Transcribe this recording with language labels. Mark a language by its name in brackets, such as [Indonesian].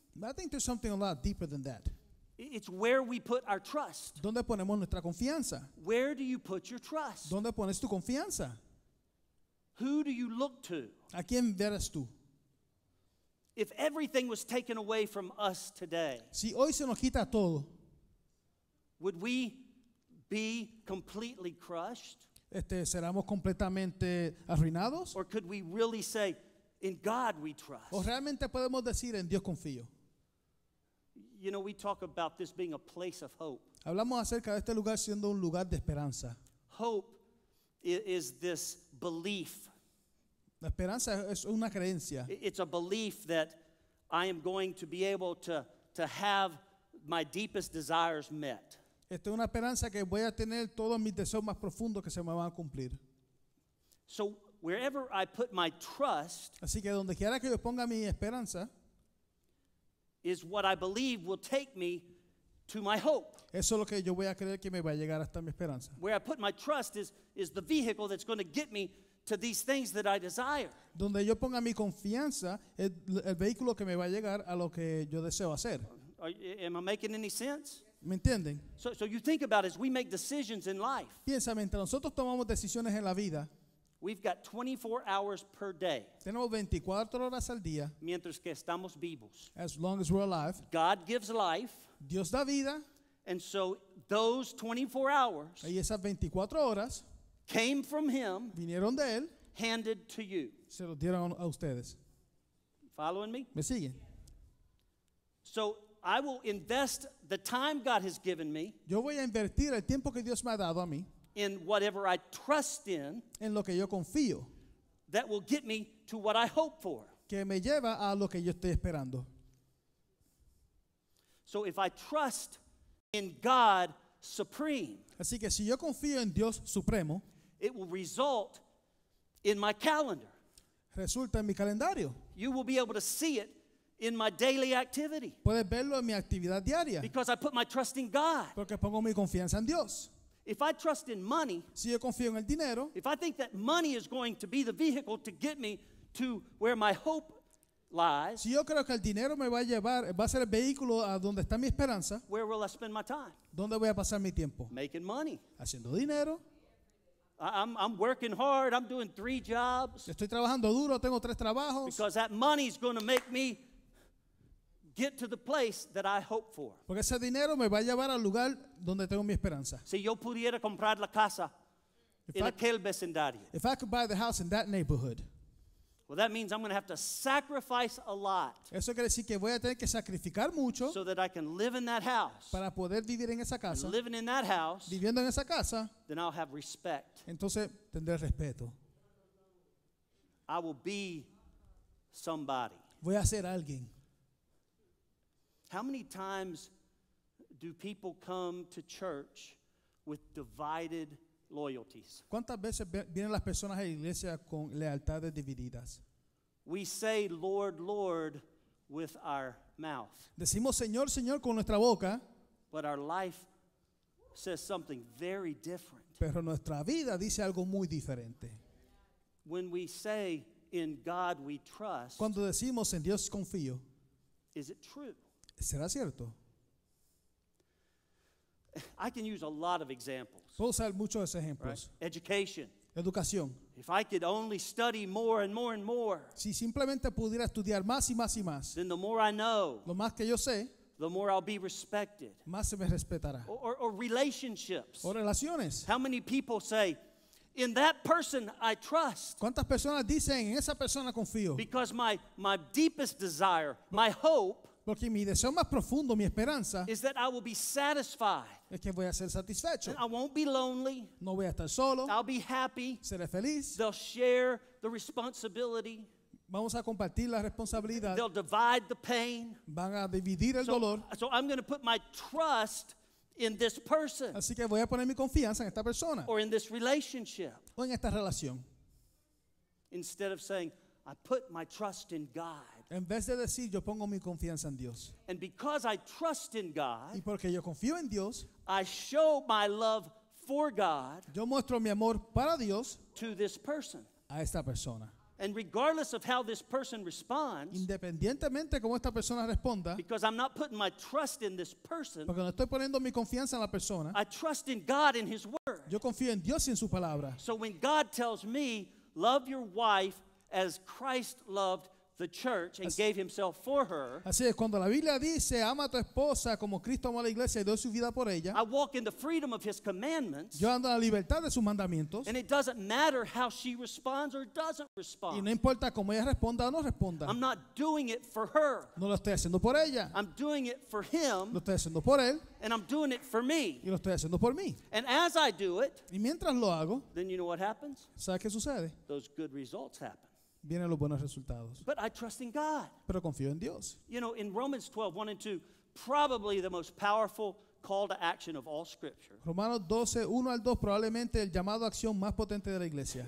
[English] But I think there's something a lot deeper than that. It's where we put our trust. [Spanish] ¿Dónde ponemos nuestra confianza? [English] Where do you put your trust? [Spanish] ¿Dónde pones tu confianza? [English] Who do you look to? [Spanish] ¿A quién verás tú? [English] If everything was taken away from us today, [Spanish] si hoy se nos quita todo, [English] would we be completely crushed? [Spanish] ¿Seríamos completamente arruinados? [English] Or could we really say, in God we trust? [Spanish] ¿O realmente podemos decir, en Dios confío? [English] You know, we talk about this being a place of hope. [Spanish] Hablamos acerca de este lugar siendo un lugar de esperanza. [English] Hope is this belief. [Spanish] La esperanza es una creencia. [English] It's a belief that I am going to be able to have my deepest desires met. [Spanish] Esto es una esperanza que voy a tener todos mis deseos más profundos que se me van a cumplir. [English] So wherever I put my trust, [Spanish] así que donde quiera que yo ponga mi esperanza, [English] is what I believe will take me to my hope. [Spanish] Eso es lo que yo voy a creer que me va a llegar hasta mi esperanza. [English] Where I put my trust is the vehicle that's going to get me to these things that I desire. [Spanish] Donde yo ponga mi confianza es el vehículo que me va a llegar a lo que yo deseo hacer. [English] Am I making any sense? [Spanish] ¿Me entienden? [English] So you think about it, as we make decisions in life. [Spanish] Piensa, mientras nosotros tomamos decisiones en la vida, [English] we've got 24 hours per day. [Spanish] Tenemos 24 horas al día. Mientras que estamos vivos. [English] As long as we're alive. God gives life. [Spanish] Dios da vida. [English] And so those 24 hours. [Spanish] Y esas 24 horas. [English] Came from him. [Spanish] Vinieron de él. [English] Handed to you. [Spanish] Se los dieron a ustedes. [English] Following me? [Spanish] Me siguen. [English] So I will invest the time God has given me. [Spanish] Yo voy a invertir el tiempo que Dios me ha dado a mí. [English] In whatever I trust in. [Spanish] En lo que yo confío. [English] That will get me to what I hope for. [Spanish] Que me lleva a lo que yo estoy esperando. [English] So if I trust in God supreme. [Spanish] Así que si yo confío en Dios supremo. [English] It will result in my calendar. [Spanish] Resulta en mi calendario. [English] You will be able to see it in my daily activity. [Spanish] Puedes verlo en mi actividad diaria. [English] Because I put my trust in God. [Spanish] Porque pongo mi confianza en Dios. [English] If I trust in money, [Spanish] si yo confío en el dinero, [English] if I think that money is going to be the vehicle to get me to where my hope lies, [Spanish] si yo creo que el dinero me va a llevar, va a ser el vehículo a donde está mi esperanza, [English] where will I spend my time? [Spanish] ¿Dónde voy a pasar mi tiempo? [English] Making money. [Spanish] Haciendo dinero. [English] I'm working hard. I'm doing 3 jobs. [Spanish] Estoy trabajando duro. Tengo 3 trabajos. [English] Because that money is going to make me get to the place that I hope for. [Spanish] Porque ese dinero me va a llevar al lugar donde tengo mi esperanza. Si yo pudiera comprar la casa en aquel vecindario. [English] If I could buy the house in that neighborhood. Well, that means I'm going to have to sacrifice a lot. [Spanish] Eso quiere decir que voy a tener que sacrificar mucho. [English] So that I can live in that house. [Spanish] Para poder vivir en esa casa. [English] And living in that house. [Spanish] Viviendo en esa casa. [English] Then I'll have respect. [Spanish] Entonces tendré respeto. [English] I will be somebody. [Spanish] Voy a ser alguien. [English] How many times do people come to church with divided loyalties? [Spanish] ¿Cuántas veces vienen las personas a la iglesia con lealtades divididas? [English] We say Lord, Lord with our mouth. [Spanish] Decimos Señor, Señor con nuestra boca. [English] But our life says something very different. [Spanish] Pero nuestra vida dice algo muy diferente. [English] When we say in God we trust. [Spanish] Cuando decimos en Dios confío. [English] Is it true? [Spanish] ¿Será cierto? [English] I can use a lot of examples. [Spanish] Puedo usar muchos ejemplos. [English] Right? Education. [Spanish] Educación. [English] If I could only study more and more and more. [Spanish] Si simplemente pudiera estudiar más y más y más. [English] Then the more I know. [Spanish] Lo más que yo sé. [English] The more I'll be respected. [Spanish] Más se me respetará. [English] Or relationships. [Spanish] O relaciones. [English] How many people say, in that person I trust. [Spanish] ¿Cuántas personas dicen en esa persona confío? [English] Because my deepest desire, my hope. [Spanish] Porque mi deseo más profundo, mi esperanza, [English] is that I will be satisfied. [Spanish] Es que voy a ser satisfecho. [English] And I won't be lonely. [Spanish] No voy a estar solo. [English] I'll be happy. [Spanish] Seré feliz. [English] They'll share the responsibility. [Spanish] Vamos a compartir la responsabilidad. [English] They'll divide the pain. [Spanish] Van a dividir el dolor. [English] So I'm going to put my trust in this person. [Spanish] Así que voy a poner mi confianza en esta persona. [English] Or in this relationship. [Spanish] O en esta relación. [English] Instead of saying, I put my trust in God. [Spanish] En vez de decir, yo pongo mi confianza en Dios. [English] And because I trust in God, [Spanish] y porque yo confío en Dios, [English] I show my love for God, [Spanish] yo muestro mi amor para Dios, [English] to this person, [Spanish] a esta persona. [English] And regardless of how this person responds, [Spanish] independientemente de cómo esta persona responda, [English] because I'm not putting my trust in this person, [Spanish] porque no estoy poniendo mi confianza en la persona, [English] I trust in God and His Word. [Spanish] Yo confío en Dios y en su palabra. [English] So when God tells me, love your wife as Christ loved the church and gave himself for her. [Spanish] Así es, cuando la Biblia dice, ama a tu esposa como Cristo amó a la iglesia y dio su vida por ella. [English] I walk in the freedom of his commandments. [Spanish] Yo ando en la libertad de sus mandamientos. [English] And it doesn't matter how she responds or doesn't respond. [Spanish] Y no importa cómo ella responda o no responda. [English] I'm not doing it for her. [Spanish] No lo estoy haciendo por ella. [English] I'm doing it for him. [Spanish] Lo estoy haciendo por él. [English] And I'm doing it for me. [Spanish] Y lo estoy haciendo por mí. [English] And as I do it, [Spanish] y mientras lo hago, [English] then you know what happens? [Spanish] ¿Sabes qué sucede? [English] Those good results happen. [Spanish] Vienen los buenos resultados. [English] But I trust in God. [Spanish] Pero confío en Dios. [English] You know, in Romans 12, 1 and 2, probably the most powerful call to action of all scripture. [Spanish] Romanos 12, 1 al 2, probablemente el llamado a acción más potente de la iglesia.